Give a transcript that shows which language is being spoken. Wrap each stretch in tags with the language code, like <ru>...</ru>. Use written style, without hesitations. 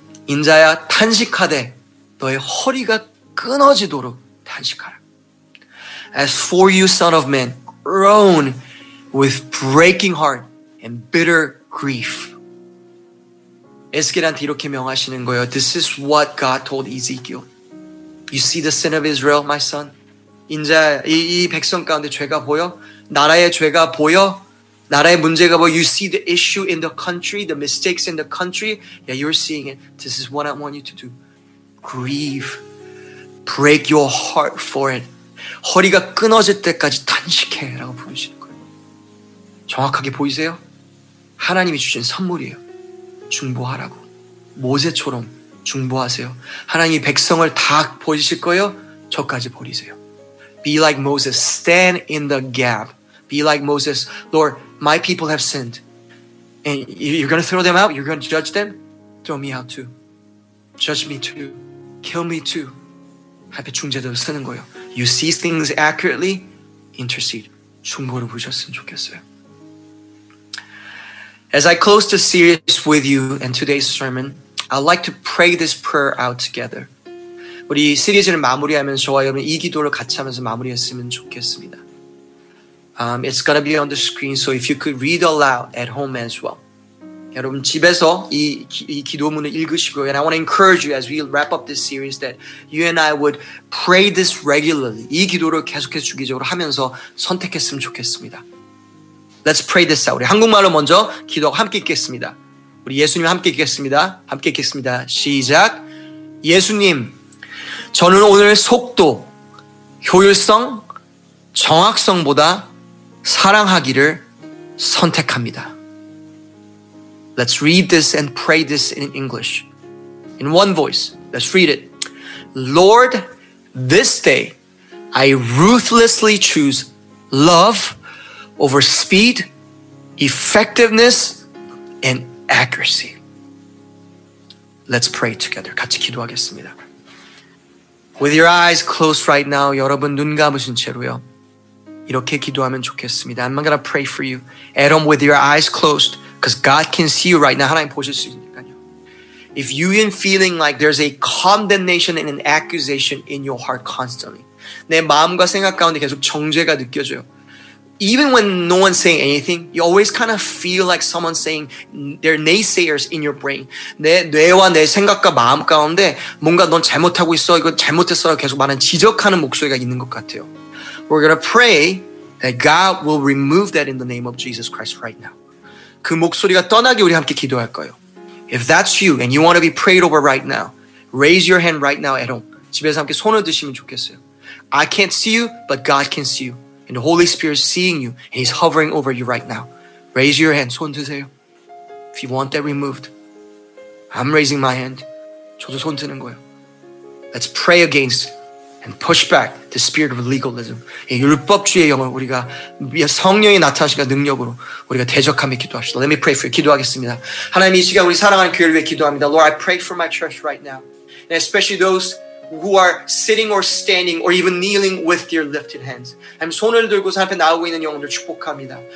<ko>인자야 탄식하되 너의 허리가 끊어지도록 탄식하라.</ko> <en>As for you, son of man, groan with breaking heart and bitter grief.</en> <ko>에스겔한테 이렇게 명하시는 거예요.</ko> <en>This is what God told Ezekiel. You see the sin of Israel, my son?</en> <ko>인자야, 이 백성 가운데 죄가 보여? 나라의 죄가 보여? 나라의 문제가 뭐,</ko> <en>you see the issue in the country, the mistakes in the country. Yeah, you're seeing it. This is what I want you to do. Grieve. Break your heart for it.</en> <ko>허리가 끊어질 때까지 탄식해. 라고 부르시는 거예요. 정확하게 보이세요? 하나님이 주신 선물이에요. 중보하라고. 모세처럼 중보하세요. 하나님이 백성을 다 버리실 거예요. 저까지 버리세요.</ko> <en>Be like Moses. Stand in the gap. Be like Moses. Lord, my people have sinned. And you're going to throw them out? You're going to judge them? Throw me out too. Judge me too. Kill me too.</en> <ko>앞에 중재자도 쓰는 거예요.</ko> <en>You see things accurately? Intercede.</en> <ko>중보를 부르셨으면 좋겠어요.</ko> <en>As I close the series with you and today's sermon, I'd like to pray this prayer out together.</en> <ko>우리 시리즈를 마무리하면서 저와 여러분 이 기도를 같이 하면서 마무리했으면 좋겠습니다.</ko> <en>It's going to be on the screen, so if you could read aloud at home as well.</en> <ko>여러분 집에서 이 기도문을 읽으시고,</ko> <en>and I want to encourage you as we wrap up this series that you and I would pray this regularly.</en> <ko>이 기도를 계속해서 주기적으로 하면서 선택했으면 좋겠습니다.</ko> <en>Let's pray this out.</en> <ko>우리 한국말로 먼저 기도하고 함께 읽겠습니다. 우리 예수님 함께 읽겠습니다. 함께 읽겠습니다. 시작! 예수님, 저는 오늘 속도, 효율성, 정확성보다 사랑하기를 선택합니다.</ko> <en>Let's read this and pray this in English. In one voice, let's read it. Lord, this day, I ruthlessly choose love over speed, effectiveness, and accuracy. Let's pray together.</en> <ko>같이 기도하겠습니다.</ko> <en>With your eyes closed right now,</en> <ko>여러분 눈 감으신 채로요. 이렇게 기도하면 좋겠습니다.</ko> <en>I'm gonna pray for you. At home with your eyes closed, because God can see you right now.</en> <ko>하나님 보실 수 있으니까요.</ko> <en>If you've been feeling like there's a condemnation and an accusation in your heart constantly,</en> <ko>내 마음과 생각 가운데 계속 정죄가 느껴져요.</ko> <en>Even when no one's saying anything, you always kind of feel like someone's saying they're naysayers in your brain.</en> <ko>내 뇌와 내 생각과 마음 가운데 뭔가 넌 잘못하고 있어, 이거 잘못했어 계속 많은 지적하는 목소리가 있는 것 같아요.</ko> <en>We're going to pray that God will remove that in the name of Jesus Christ right now.</en> <ko>그 목소리가 떠나게 우리 함께 기도할 거예요.</ko> <en>If that's you and you want to be prayed over right now, raise your hand right now at home.</en> <ko>집에서 함께 손을 드시면 좋겠어요.</ko> <en>I can't see you, but God can see you. And the Holy Spirit is seeing you. And He's hovering over you right now. Raise your hand.</en> <ko>손 드세요.</ko> <en>If you want that removed. I'm raising my hand.</en> <ko>저도 손 드는 거예요.</ko> <en>Let's pray against and push back the spirit of legalism.</en> <ko>이 율법주의의 영을 우리가 성령이 나타나시니까 능력으로 우리가 대적함에 기도합시다.</ko> <en>Let me pray for you.</en> <ko>기도하겠습니다. 하나님 이 시간 우리 사랑하는 교회를 위해 기도합니다.</ko> <en>Lord, I pray for my church right now. And especially those who are sitting or standing or even kneeling with their lifted hands.</en> <ko>I'm 손을 들고 앞에 나오고 있는 영혼들 축복합니다.</ko>